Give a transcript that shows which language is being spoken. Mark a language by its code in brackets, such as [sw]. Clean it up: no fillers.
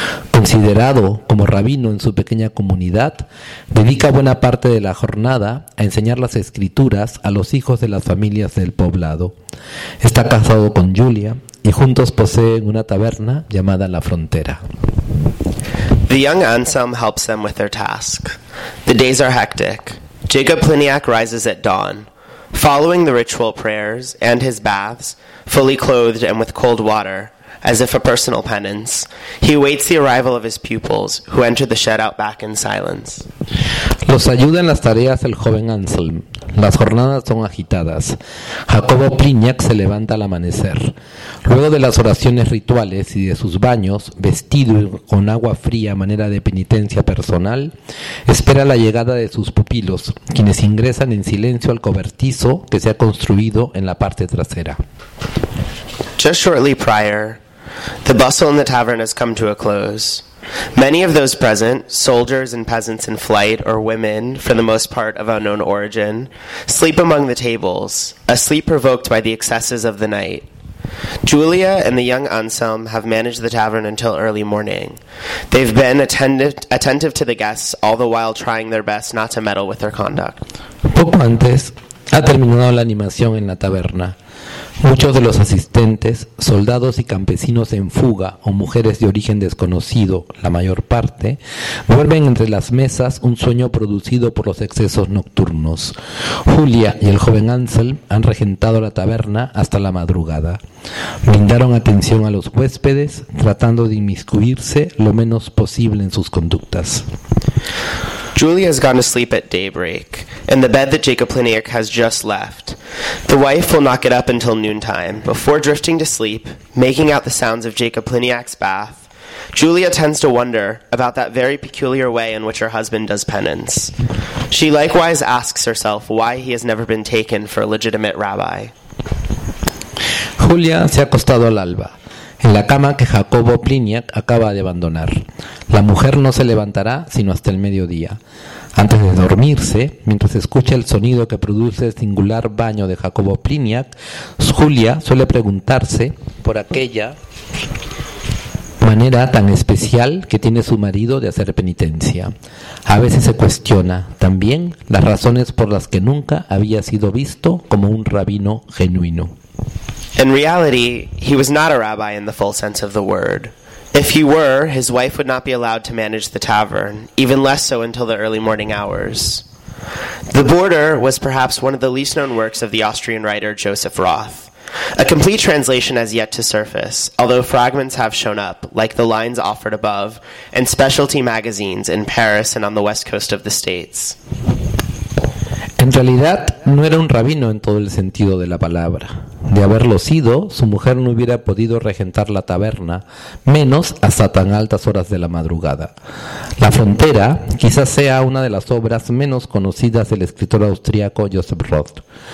[es] Considerado como rabino en su pequeña comunidad, dedica buena parte de la jornada a enseñar las escrituras a los hijos de las familias del poblado. Está casado con Julia y juntos poseen una taberna llamada La Frontera. [en] The young Anselm helps them with their task. The days are hectic. Jacob Pliniac rises at dawn. Following the ritual prayers and his baths, fully clothed and with cold water, as if a personal penance, he awaits the arrival of his pupils, who enter the shed out back in silence. [es] Los ayuda en las tareas el joven Anselm. Las jornadas son agitadas. Jacobo Pliniac se levanta al amanecer. Luego de las oraciones rituales y de sus baños, vestido con agua fría a manera de penitencia personal, espera la llegada de sus pupilos, quienes ingresan en silencio al cobertizo que se ha construido en la parte trasera. [en] Just shortly prior, the bustle in the tavern has come to a close. Many of those present, soldiers and peasants in flight, or women, for the most part of unknown origin, sleep among the tables, asleep provoked by the excesses of the night. Julia and the young Anselm have managed the tavern until early morning. They've been attentive to the guests, all the while trying their best not to meddle with their conduct. [es] Poco antes, ha terminado la animación en la taberna. Muchos de los asistentes, soldados y campesinos en fuga o mujeres de origen desconocido, la mayor parte, vuelven entre las mesas un sueño producido por los excesos nocturnos. Julia y el joven Ansel han regentado la taberna hasta la madrugada. Brindaron atención a los huéspedes, tratando de inmiscuirse lo menos posible en sus conductas. [en] Julia has gone to sleep at daybreak, in the bed that Jacob Planiak has just left. The wife will not get up until noontime. Before drifting to sleep, making out the sounds of Jacob Planiak's bath, Julia tends to wonder about that very peculiar way in which her husband does penance. She likewise asks herself why he has never been taken for a legitimate rabbi. [es] Julia se ha acostado al alba, en la cama que Jacobo Pliniak acaba de abandonar. La mujer no se levantará sino hasta el mediodía. Antes de dormirse, mientras escucha el sonido que produce el singular baño de Jacobo Pliniak, Julia suele preguntarse por aquella manera tan especial que tiene su marido de hacer penitencia. A veces se cuestiona también las razones por las que nunca había sido visto como un rabino genuino. [en] In reality, he was not a rabbi in the full sense of the word. If he were, his wife would not be allowed to manage the tavern, even less so until the early morning hours. The Border was perhaps one of the least known works of the Austrian writer Joseph Roth. A complete translation has yet to surface, although fragments have shown up, like the lines offered above, in specialty magazines in Paris and on the west coast of the States. [es] En realidad, no era un rabino en todo el sentido de la palabra. De haberlo sido, su mujer no hubiera podido regentar la taberna, menos hasta tan altas horas de la madrugada. La frontera quizás sea una de las obras menos conocidas del escritor austriaco Joseph Roth.